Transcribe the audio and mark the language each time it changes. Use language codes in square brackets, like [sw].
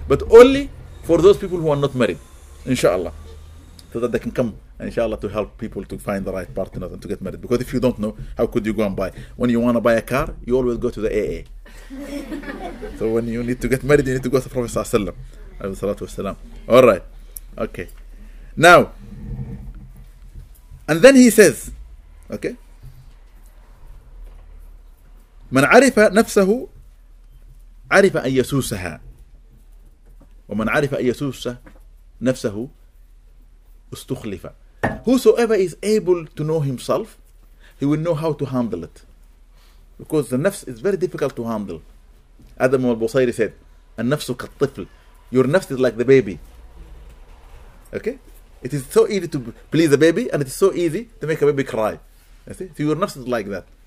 [en] But only for those people who are not married, inshallah. So that they can come, inshallah, to help people to find the right partners and to get married. Because if you don't know, how could you go and buy? When you want to buy a car, you always go to the AA. So when you need to get married, you need to go to the Prophet sallallahu alayhi wa sallam. Alright. Okay. Now, and then he says, okay, [ar] من عرف نفسه عرف أن يسوسها ومن عرف أن يسوس نفسه استخلف. [en] Whosoever is able to know himself, he will know how to handle it. Because the nafs is very difficult to handle. Adam al-Busayri said, [ar] النفس كالطفل. [en] Your nafs is like the baby. Okay? It is so easy to please a baby and it is so easy to make a baby cry. You see? So your nafs is like that.